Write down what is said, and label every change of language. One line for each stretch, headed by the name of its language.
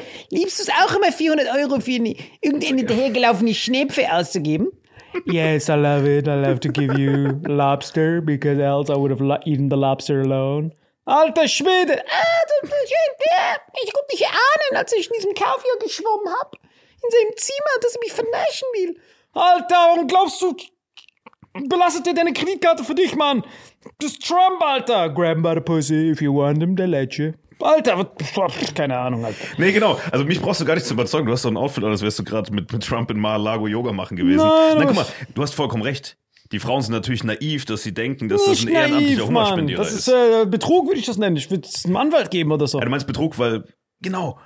German: Liebst du es auch immer, 400 Euro für irgendeine dahergelaufene Schnepfe auszugeben?
English: Yes, I love it. I love to give you lobster, because else I would have eaten the lobster alone.
German: Alter Schwede! Ich konnte mich ahnen, als ich in diesem Kaviar geschwommen habe. In seinem Zimmer, dass er mich vernaschen will. Alter, warum glaubst du, belastet er deine Kreditkarte für dich, Mann? Das ist Trump, Alter.
English: Grab him by the pussy, if you want him, they'll let you.
German: Alter, keine Ahnung, Alter. Nee, genau. Also mich brauchst du gar nicht zu überzeugen. Du hast doch ein Outfit an, als wärst du gerade mit Trump in Mar-a-Lago Yoga machen gewesen. Nein, guck mal, du hast vollkommen recht. Die Frauen sind natürlich naiv, dass sie denken, dass nicht das ein naiv, ehrenamtlicher Mann. Hummerspendierer ist. Das ist Betrug, würde ich das nennen. Ich würde es einem Anwalt geben oder so. Ja, du meinst Betrug, weil, genau.